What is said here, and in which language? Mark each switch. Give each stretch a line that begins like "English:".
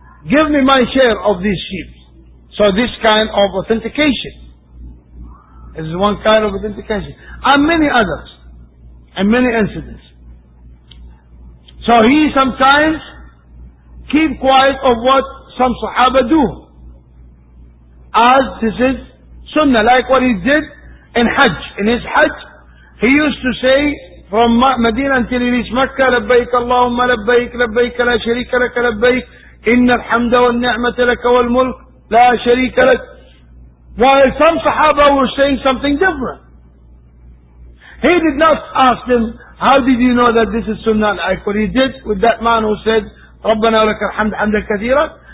English: Give me my share of these sheep. So this kind of authentication is one kind of authentication. And many others. And many incidents. So he sometimes keep quiet of what some Sahaba do. As this is Sunnah. Like what he did in Hajj. In his Hajj, he used to say from Medina until he reached Mecca,
Arabic: لبيك اللهم لبيك لبيك لا شريك لك
English: لبيك إن الحمد والنعمة لك والملك لا شريك لك. While some Sahaba were saying something different, he did not ask them, how did you know that this is Sunnah? Like what he did with that man who said,
Arabic: ربنا لك الحمد حمدا كثيرا.